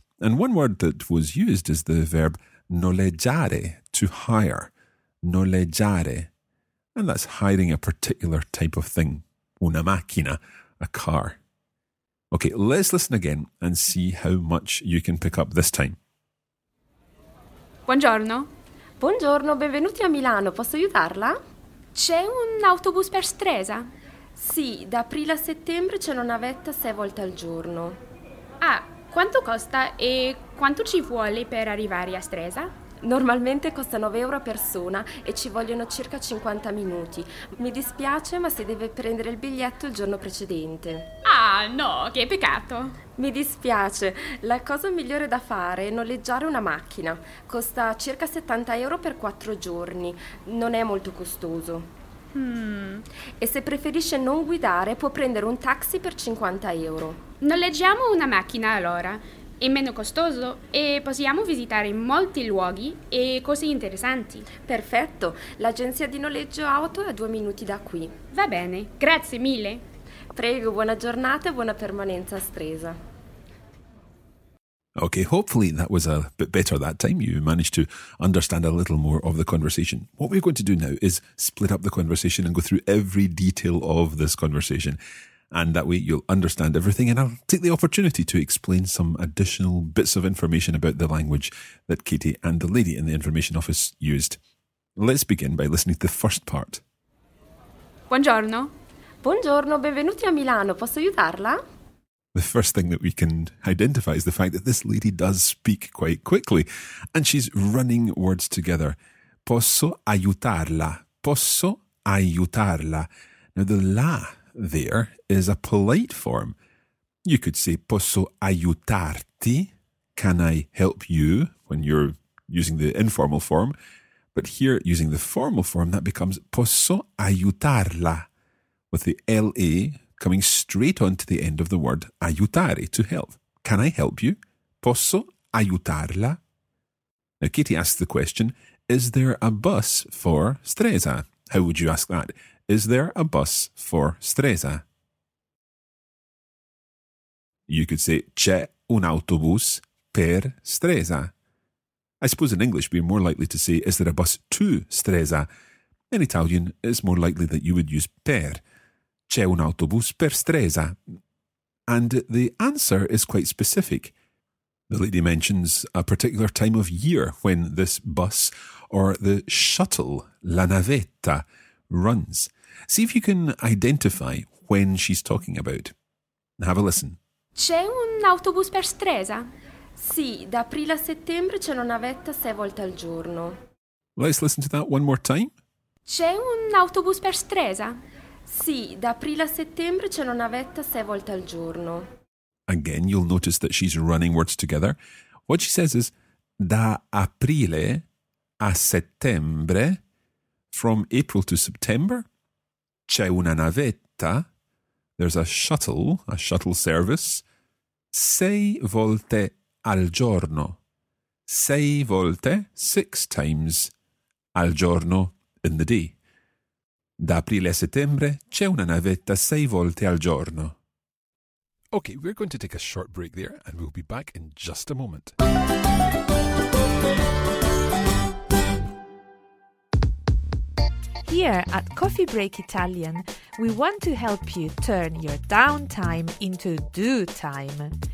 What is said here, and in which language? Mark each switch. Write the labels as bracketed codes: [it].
[en] And one word that was used is the verb noleggiare, to hire. Noleggiare. And that's hiring a particular type of thing. [it] Una macchina, [en] a car. Okay, let's listen again and see how much you can pick up this time. [it] Buongiorno. Buongiorno, benvenuti a Milano. Posso aiutarla? C'è un autobus per Stresa? Sì, da aprile a settembre c'è una navetta 6 volte al giorno. Ah, quanto costa e quanto ci vuole per arrivare a Stresa? Normalmente costa 9 euro a persona e ci vogliono circa 50 minuti. Mi dispiace, ma si deve prendere il biglietto il giorno precedente. Ah, no, che peccato! Mi dispiace. La cosa migliore da fare è noleggiare una macchina. Costa circa 70 euro per 4 giorni. Non è molto costoso. E se preferisce non guidare, può prendere un taxi per 50 euro. Noleggiamo una macchina allora. È meno costoso e possiamo visitare molti luoghi e cose interessanti. Perfetto, l'agenzia di noleggio auto è a 2 minuti da qui. Va bene, grazie mille. Prego, buona giornata e buona permanenza a Stresa. [en] Okay, hopefully that was a bit better that time. You managed to understand a little more of the conversation. What we're going to do now is split up the conversation and go through every detail of this conversation. And that way you'll understand everything. And I'll take the opportunity to explain some additional bits of information about the language that Katie and the lady in the information office used. Let's begin by listening to the first part. [it] Buongiorno. Buongiorno, benvenuti a Milano. Posso aiutarla? [en] The first thing that we can identify is the fact that this lady does speak quite quickly and she's running words together. [it] Posso aiutarla? Posso aiutarla? [en] Now, the la there is a polite form. You could say [it] posso aiutarti? [en] Can I help you? When you're using the informal form. But here, using the formal form, that becomes [it] posso aiutarla [en] with the la coming straight on to the end of the word aiutare, to help. Can I help you? [it] Posso aiutarla? [en] Now, Katie asks the question, is there a bus for Stresa? How would you ask that? Is there a bus for Stresa? You could say, [it] c'è un autobus per Stresa. [en] I suppose in English we're more likely to say, is there a bus to Stresa? In Italian, it's more likely that you would use per. [it] C'è un autobus per Stresa. [en] And the answer is quite specific. The lady mentions a particular time of year when this bus or the shuttle, [it] la navetta, [en] runs. See if you can identify when she's talking about. Have a listen. [it] C'è un autobus per Stresa? Sì, da aprile a settembre c'è una navetta 6 volte al giorno. [en] Let's listen to that one more time. [it] C'è un autobus per Stresa? Sì, da aprile a settembre c'è una navetta 6 volte al giorno. [en] Again, you'll notice that she's running words together. What she says is, [it] da aprile a settembre, [en] from April to September, [it] c'è una navetta, [en] there's a shuttle service, [it] 6 volte al giorno. 6 volte, [en] 6 times, [it] al giorno, [en] in the day. [it] Da aprile a settembre c'è una navetta 6 volte al giorno. [en] Okay, we're going to take a short break there and we'll be back in just a moment. Here at Coffee Break Italian, we want to help you turn your downtime into do time.